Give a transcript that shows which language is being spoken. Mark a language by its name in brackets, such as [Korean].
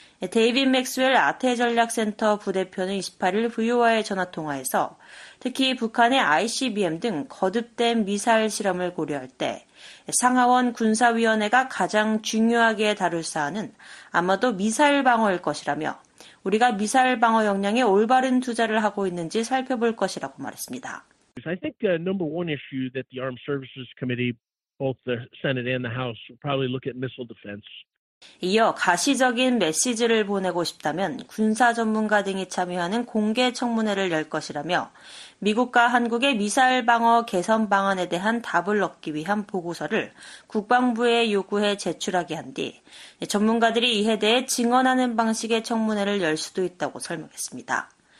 [Korean] 데이빗 맥스웰 아태전략센터 부대표는 28일 VOA 전화통화에서 특히 북한의 ICBM 등 거듭된 미사일 실험을 고려할 때 상하원 군사위원회가 가장 중요하게 다룰 사안은 아마도 미사일 방어일 것이라며 우리가 미사일 방어 역량에 올바른 투자를 하고 있는지 살펴볼 것이라고 말했습니다. [English] I think the number one issue that the Armed Services Committee, both the Senate and the House, will probably look at missile defense. [Korean] 이어 가시적인 메시지를 보내고 싶다면 군사 전문가 등이 참여하는 공개 청문회를 열 것이라며 미국과 한국의 미사일 방어 개선 방안에 대한 답을 얻기 위한 보고서를 국방부에 요구해 제출하게 한 뒤 전문가들이 이에 대해 증언하는 방식의 청문회를 열 수도 있다고 설명했습니다.